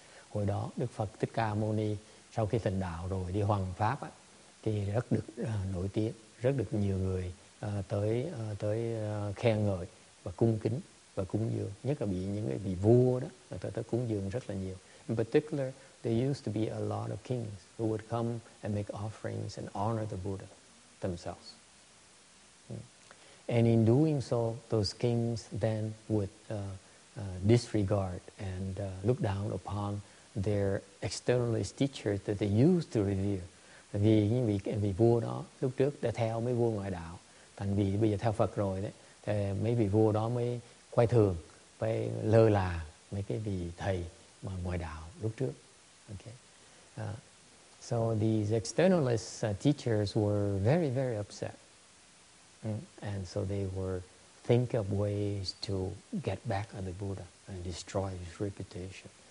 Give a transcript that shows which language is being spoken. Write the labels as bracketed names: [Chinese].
[Vietnamese] Hồi đó Đức Phật Thích Ca Mâu Ni sau khi thành đạo rồi đi hoằng pháp á, thì rất được nổi tiếng, rất được nhiều người tới khen ngợi và cung kính và cúng dường, nhất là bị những cái vị vua đó tới cúng dường rất là nhiều. [English] In particular, there used to be a lot of kings who would come and make offerings and honor the Buddha themselves. And in doing so, those kings then would disregard and look down upon their externalist teachers that they used to revere. [Vietnamese] Vì vua đó lúc trước đã theo mấy vua ngoại đạo, thành vì bây giờ theo Phật rồi đấy, thì mấy vị vua đó mới quay thường, mới lơ là mấy cái vị thầy mà ngoại đạo lúc trước. [English] Okay. So these externalist teachers were very, very upset. And so they were think of ways to get back at the Buddha and destroy his reputation.